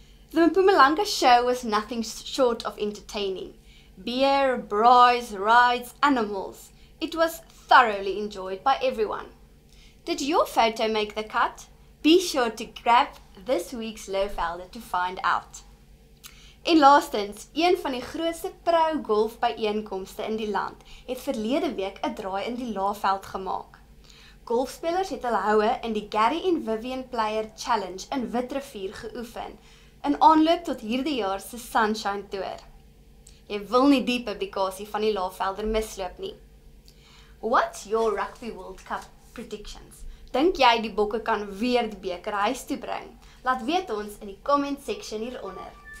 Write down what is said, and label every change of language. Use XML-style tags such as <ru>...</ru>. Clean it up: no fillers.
<en>The Mpumalanga show was nothing short of entertaining. Beer, braais, rides, animals. It was thoroughly enjoyed by everyone. Did your photo make the cut? Be sure to grab this week's Lowvelder to find out.</en> <af>En laastens, een van die grootste pro-golf byeenkomste in die land het verlede week 'n draai in die Laveld gemaak. Golfspelers het hul houe in die Gary en Vivian Player Challenge in Witrivier geoefen in aanloop tot hierdie jaar se Sunshine Tour. Jy wil nie die publikasie van die Lavelder misloop nie.</af> <en>What's your Rugby World Cup predictions?</en> <af>Dink jy die Bokke kan weer die beker huis toe bring? Laat weet ons in die comment section hieronder.</af>